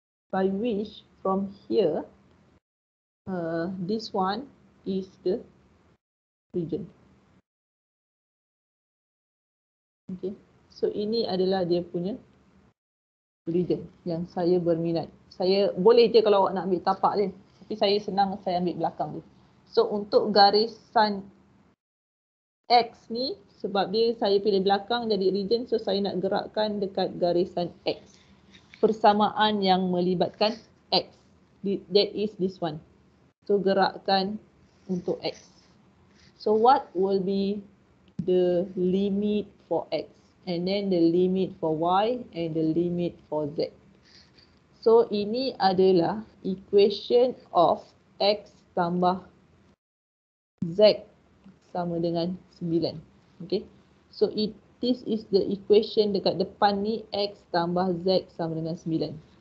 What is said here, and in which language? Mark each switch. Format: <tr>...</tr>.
<en>By which, from here, this one is the region. Okay.</en> <ms>So, ini adalah dia punya region yang saya berminat. Saya boleh je kalau awak nak ambil tapak dia. Tapi saya senang saya ambil belakang dia. So, untuk garisan X ni, sebab dia saya pilih belakang jadi region, so saya nak gerakkan dekat garisan X. Persamaan yang melibatkan X.</ms> <en>That is this one.</en> <ms>So, gerakkan untuk X.</ms> <en>So, what will be the limit for X? And then the limit for Y and the limit for Z.</en> <ms>So, ini adalah</ms> <en>equation of</en> <ms>X tambah Z sama dengan 9.</ms> <en>Okay. So, this is the equation</en> <ms>dekat depan ni, X tambah Z sama dengan 9.</ms>